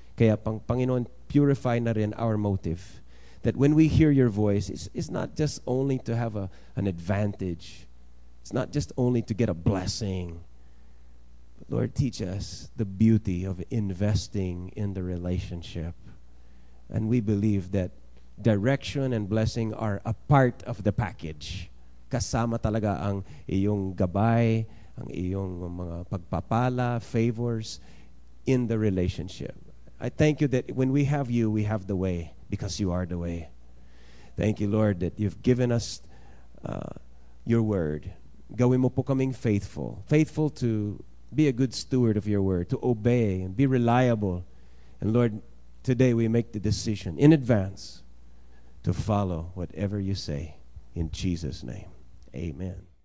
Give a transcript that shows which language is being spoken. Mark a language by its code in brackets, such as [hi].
[tl] Kaya Panginoon, [en] purify [tl] na rin [en] our motive. That when we hear your voice, it's not just only to have an advantage. It's not just only to get a blessing. But Lord, teach us the beauty of investing in the relationship. And we believe that direction and blessing are a part of the package. [tl] Kasama talaga ang iyong gabay, ang iyong mga pagpapala, [en] favors in the relationship. I thank you that when we have you, we have the way because you are the way. Thank you, Lord, that you've given us your word. [tl] Gawin mo po kaming [en] faithful. Faithful to be a good steward of your word, to obey and be reliable. And Lord, today we make the decision in advance to follow whatever you say, in Jesus' name, amen.